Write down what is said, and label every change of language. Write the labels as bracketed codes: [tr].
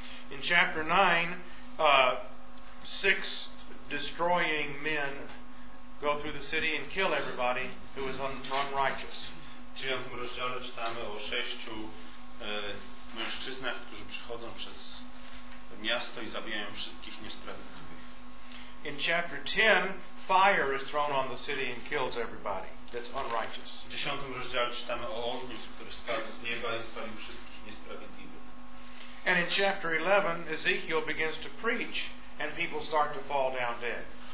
[en] In chapter 9, six destroying men go through the city and kill everybody who is unrighteous. [pl] W 9 rozdziale czytamy o sześciu mężczyznach, którzy przychodzą przez miasto i zabijają wszystkich niesprawiedliwych. [en] In chapter 10, fire is thrown on the city and kills everybody that's unrighteous. [pl] W 10 rozdziale czytamy o ogniu, który spadł z nieba i spalił wszystkich niesprawiedliwych. [en] And in chapter 11, Ezekiel begins to preach and people start to fall down dead.